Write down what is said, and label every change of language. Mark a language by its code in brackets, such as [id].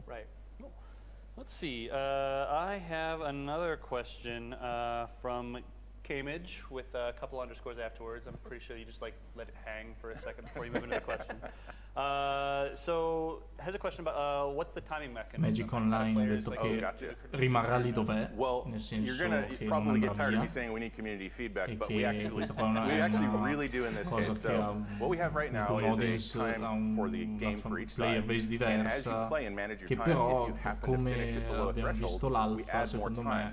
[en] Right. Let's see. I have another question from Kamage with a couple underscores afterwards. I'm pretty sure you just like let it hang for a second before you move into the question. So has a question about what's the timing mechanism? [it] Magic Online ha detto che rimarrà lì dov'è. [en] Well, you're gonna probably get tired of me saying we need community feedback, but we actually really do in this case. So what we have right now is a time for the game for each side. And as you play and manage your time, if you happen to finish it below a threshold, we add more time.